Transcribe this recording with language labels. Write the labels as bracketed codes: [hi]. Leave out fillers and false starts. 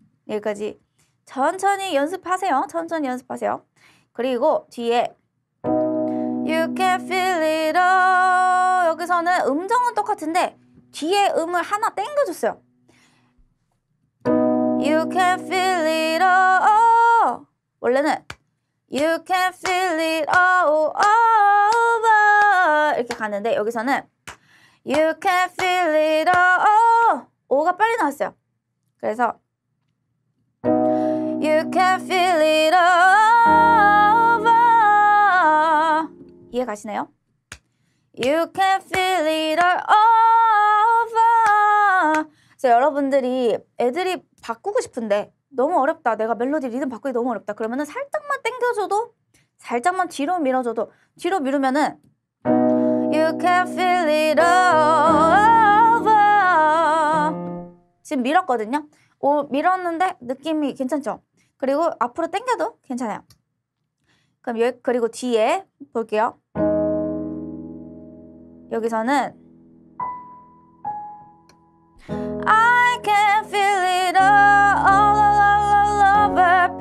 [ko] 여기까지 천천히 연습하세요. 천천히 연습하세요. 그리고 뒤에 [en] You can feel it all [ko] 여기서는 음정은 똑같은데 뒤에 음을 하나 땡겨줬어요. [en] You can feel it all [ko] 원래는 [en] You can feel it all over [ko] 이렇게 가는데 여기서는 You can feel it all 오가 빨리 나왔어요. 그래서 [en] You can feel it over [ko] 이해 가시나요? [en] You can feel it over [ko] 자, 여러분들이 애들이 바꾸고 싶은데 너무 어렵다 내가 멜로디 리듬 바꾸기 너무 어렵다 그러면은 살짝만 당겨줘도 살짝만 뒤로 밀어줘도 뒤로 밀으면은 You can feel it over 지금 밀었거든요? 오, 밀었는데 느낌이 괜찮죠? 그리고 앞으로 당겨도 괜찮아요. 그럼 여기 그리고 뒤에 볼게요. 여기서는 [en] I can feel it all over